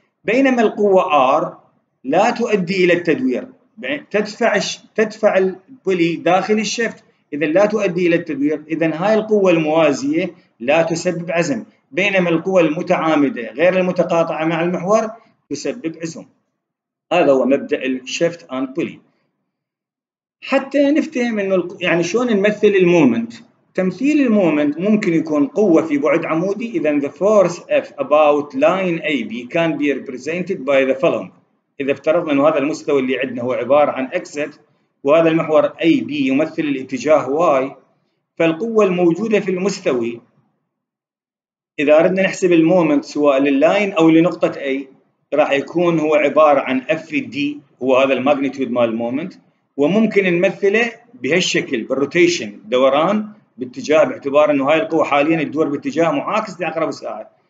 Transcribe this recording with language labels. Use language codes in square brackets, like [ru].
[ar] بينما القوة R لا تؤدي إلى التدوير، تدفع البولي داخل الشفت، إذن لا تؤدي إلى التدوير، إذن هاي القوة الموازية لا تسبب عزم. بينما القوة المتعامدة غير المتقاطعة مع المحور تسبب عزم. هذا هو مبدأ الشفت آند بولي. حتى نفهم انه يعني شلون نمثل المومنت، تمثيل المومنت ممكن يكون قوه في بعد عمودي. [en] اذا the force F about line AB can be represented by the following. [ar] اذا افترضنا انه هذا المستوى اللي عندنا هو عباره عن XZ وهذا المحور AB يمثل الاتجاه Y، فالقوه الموجوده في المستوي اذا اردنا نحسب المومنت سواء لللاين او لنقطه A راح يكون هو عباره عن FD، هو هذا الماجنتيود مال المومنت، وممكن نمثله بهالشكل بالروتيشن دوران باتجاه، باعتبار انه هاي القوه حاليا تدور باتجاه معاكس لعقرب الساعه.